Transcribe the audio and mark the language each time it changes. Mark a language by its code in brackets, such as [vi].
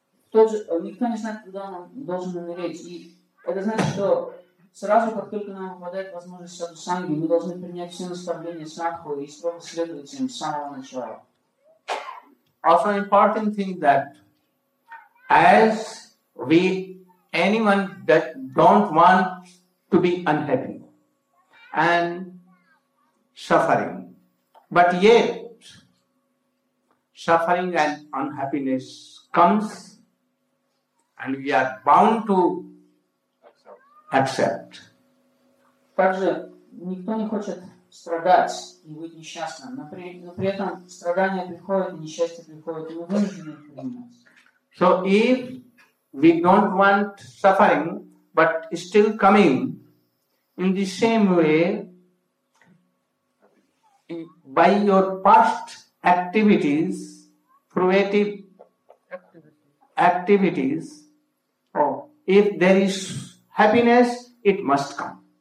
[ru] Тот же, никто не знает, когда он должен умереть. И это значит, что сразу, как только нам выпадает возможность садхусанги, мы должны принять все наставления садху и строго следовать им с самого начала. [en] Also important thing that as we, anyone that don't want to be unhappy and suffering, but yet suffering and unhappiness comes and we are bound to accept. [ru] Также никто не хочет страдать и быть несчастным, но при этом страдания приходят, несчастье приходит, и мы вынуждены их принимать. [en] So if we don't want suffering, but still coming, in the same way, by your past activities, creative activities, if there is happiness, it must come.